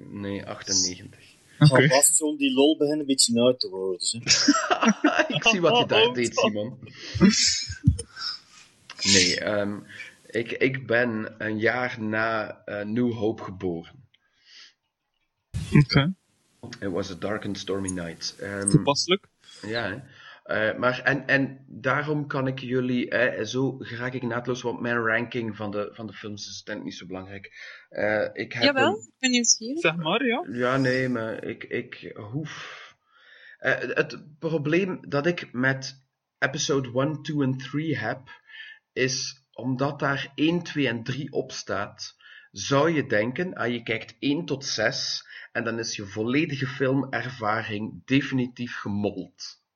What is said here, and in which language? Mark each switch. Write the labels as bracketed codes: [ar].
[nl] Nee, 98. Het zal vast zo'n die lol beginnen een beetje uit te worden. Zo. Ik zie wat je daar deed, Simon. Nee, ik ben een jaar na New Hope geboren. Oké. [en] It was a dark and stormy night. [nl] Toepasselijk. Ja, hè. Maar en daarom kan ik jullie, zo raak ik naadloos, want mijn ranking van de films is denk ik niet zo belangrijk. Ik heb jawel, ik ben nieuwsgierig. Zeg maar, ja. Ja, nee, maar ik hoef. Het probleem dat ik met episode 1, 2 en 3 heb, is omdat daar 1, 2 en 3 op staat, zou je denken, je kijkt 1 tot 6 en dan is je volledige filmervaring definitief gemold.